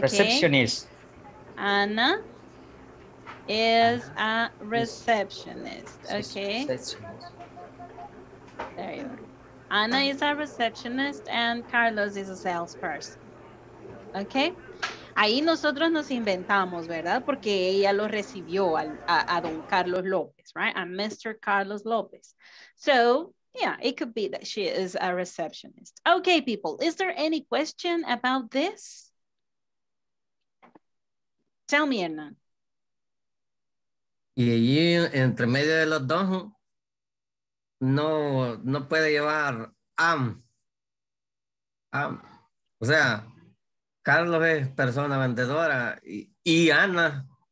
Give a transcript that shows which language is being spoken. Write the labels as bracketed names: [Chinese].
[English] Receptionist. Anna is a receptionist. Okay. There you go. Anna is a receptionist and Carlos is a salesperson. [Spanish] Okay. Ahí nosotros nos inventamos, ¿verdad? Porque ella lo recibió a Don Carlos López, right? A Mr. Carlos López. [English] So, yeah, it could be that she is a receptionist. Okay, people, is there any question about this? Tell me, Hernan. [Spanish] Y allí, entre medio de los dos, no puede llevar am. O sea, Carlos es persona vendedora y Ana.